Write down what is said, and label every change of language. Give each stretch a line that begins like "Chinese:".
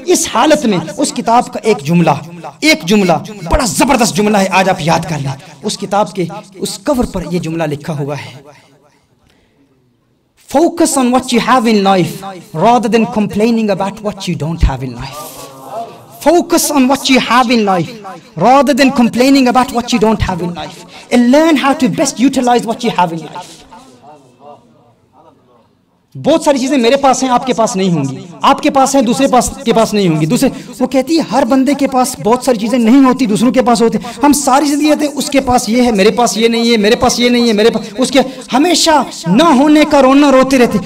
Hindi: इस हालत में उस किताब का एक जुमला, एक जुमला बड़ा जबरदस्त जुमला है, आज आप याद कर लें, उस किताब के उस कवर पर यह जुमला लिखा हुआ है,
English: focus on what you have in life
Hindi: rather than complaining about what you don't have in life.
English: Focus on what you have in life rather than complaining about what you don't have in life and learn how to best utilize what you have in life.
Hindi: बहुत सारी चीजें मेरे पास हैं, आपके पास नहीं होंगी, आपके पास हैं, दूसरे पास के पास नहीं होंगी। दूसरे वो कहती है हर बंदे के पास बहुत सारी चीजें नहीं होती, दूसरों के पास होते। हम सारी जिंदगी रहते हैं उसके पास ये है, मेरे पास ये नहीं है, मेरे पास ये नहीं है, मेरे पास उसके, हमेशा ना होने का रोना रोते रहते।